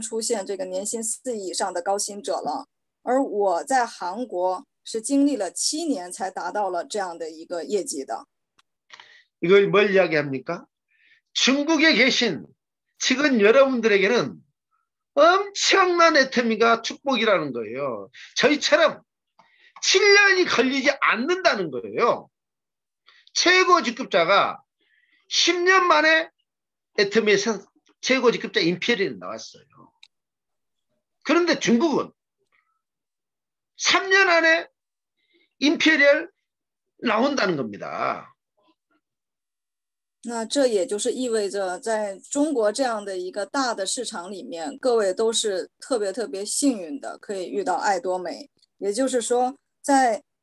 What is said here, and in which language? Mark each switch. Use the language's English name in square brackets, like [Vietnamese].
[Chinese] 那在中国开业1年多就已经出现这个年薪4亿以上的高薪者了。而我在韩国是经历了7年才达到了这样的一个业绩的。 [Korean] 이걸 뭘 이야기합니까? 중국에 계신 지금 여러분들에게는 엄청난 애터미가 축복이라는 거예요. 저희처럼 7년이 걸리지 않는다는 거예요. 최고 직급자가 10년 만에 애터미에서 최고 직급자 임페리 나왔어요. 그런데 중국은 3년 안에 임페리얼 나온다는 겁니다. [Chinese] 那这也就是意味着在中国这样的一个大的市场里面，各位都是特别特别幸运的，可以遇到爱多美。也就是说，在